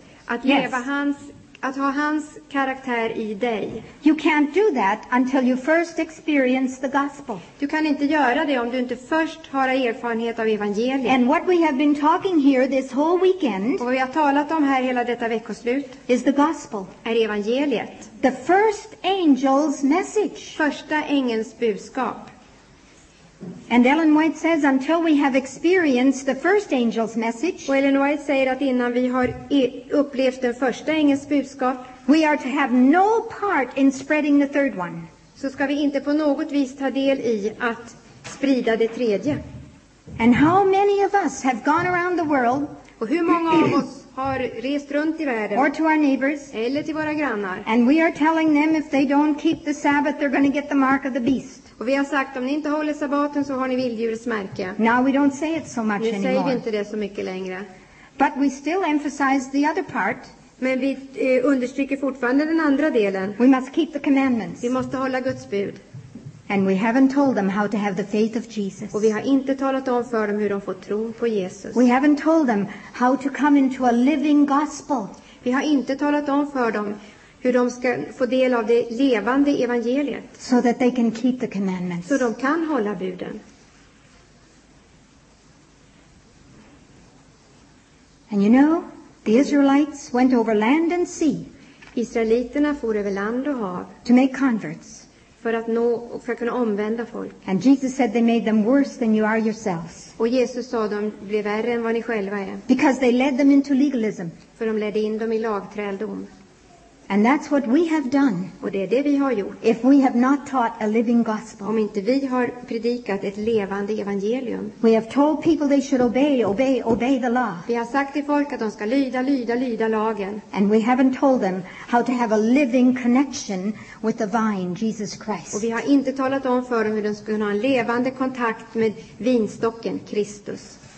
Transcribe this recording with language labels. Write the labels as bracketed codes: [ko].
[sv] Att leva hans, att ha hans karaktär i dig. [en] You can't do that until you first experience the gospel. [sv] Du kan inte göra det om du inte först har erfarenhet av evangeliet. [en] And what we have been talking here this whole weekend. [sv] Och vi har talat om här hela detta veckoslut. [en] Is the gospel. [sv] Är evangeliet. [en] The first angel's message. [sv] Första ängelns budskap. [en] And Ellen White says until we have experienced the first angel's message. [sv] Well, Ellen White säger att innan vi har upplevt den första ängelns budskap, [en] we are to have no part in spreading the third one. [sv] Så ska vi inte på något vis ta del i att sprida det tredje. [en] And how many of us have gone around the world? [sv] Och hur många av oss har rest runt i världen? [en] Or to our neighbors? [sv] Eller till våra grannar? [en] And we are telling them if they don't keep the Sabbath they're going to get the mark of the beast. [sv] Och vi har sagt om ni inte håller sabbaten så har ni vilddjursmärke. [en] Now we don't say it so much [sv] nu [en] anymore. [sv] Säger vi inte det så mycket längre. [en] But we still emphasize the other part. [sv] Men vi understryker fortfarande den andra delen. [en] We must keep the commandments. [sv] Vi måste hålla Guds bud. [en] And we haven't told them how to have the faith of Jesus. [sv] Och vi har inte talat om för dem hur de får tro på Jesus. [en] We haven't told them how to come into a living gospel. [sv] Vi har inte talat om för dem hur de ska få del av det levande evangeliet. [en] So that they can keep the commandments. [sv] Så de kan hålla buden. [en] And you know, the Israelites went over land and sea. [sv] Israeliterna for över land och hav. [en] To make converts. [sv] För att nå och för att kunna omvända folk. [en] And Jesus said they made them worse than you are yourselves. [sv] Och Jesus sa de blev värre än vad ni själva är. [en] Because they led them into legalism. [sv] För de ledde in dem i lagträldom. [en] And that's what we have done. [sv] Och det är det vi har gjort. [en] If we have not taught a living gospel. [sv] Om inte vi har predikat ett levande evangelium. [en] We have told people they should obey the law. [sv] Vi har sagt till folk att de ska lyda lagen. [en] And we haven't told them how to have a living connection with the vine, Jesus Christ. [sv] Och vi har inte talat om för dem hur de ska kunna ha en levande kontakt med vinstocken Kristus.